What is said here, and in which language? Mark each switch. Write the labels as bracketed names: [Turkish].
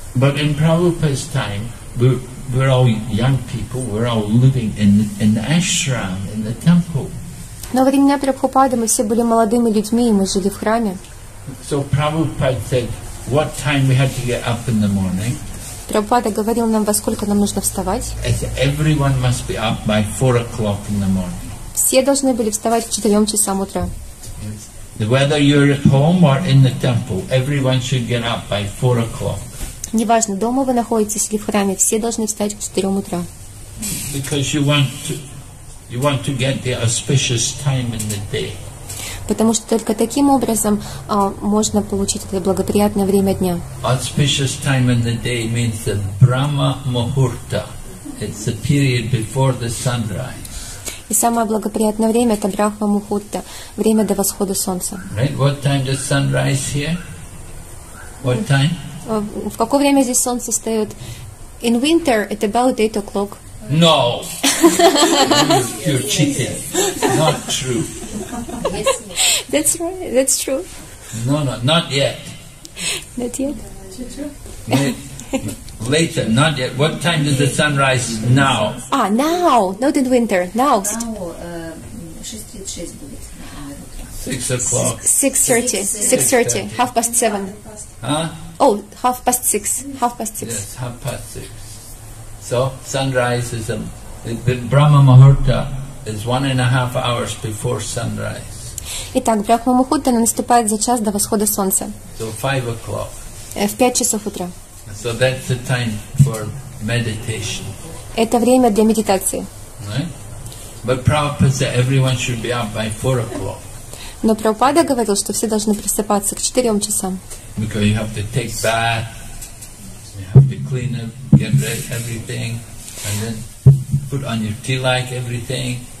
[English] But in Prabhupada's time, we're all young people, we're all living in the ashram, in the temple. [Russian] Но во времена Прабхупады мы все были молодыми людьми и мы жили в храме. [English] So Prabhupada said, what time we had to get up in the morning? [Russian] Прабхупада говорил нам, во сколько нам нужно вставать? [English] Everyone must be up by 4 o'clock in the morning. [Russian] Все должны были вставать к 4 часам утра. [English] Whether you're at home or in the temple, everyone should get up by 4 o'clock. [Russian] Неважно, дома вы находитесь или в храме, все должны встать к 4 утра. [English] Because you want to get the auspicious time in the day. [Russian] Потому что только таким образом можно получить это благоприятное время дня. [English] Auspicious time in the day means the Brahma Muhurta. It's the period before the sunrise. [Russian] И самое благоприятное время – это Брахма Мухутта, время до восхода солнца. [English] Right. What time does sunrise here? What time? [Russian] В какое время здесь солнце встает? [English] In winter, it's about 8 o'clock. No! You're cheating. Not true. That's right. That's true. No, not yet. Not yet? Later, not yet. What time does the sun rise now? Ah, now. Not in winter. Now. 6 o'clock. 6:30. 6:30. Half past seven. Huh? Oh, half past six. Half past six. Yes, half past six. So, sunrise is the Brahma Muhurta is 1.5 hours before sunrise. [Russian] Итак, Брахма Мухутта наступает за час до восхода солнца. [English] So, 5 o'clock. [Russian] В 5 часов утра. [English] So that's the time for meditation. [Russian] Это время для медитации. [English] But Prabhupada said everyone should be up by 4 o'clock. [Russian] Но Прабхупада говорил, что все должны просыпаться к 4 часам. [English] Because you have to take bath, you have to clean up, get ready everything, and then put on your tea like everything.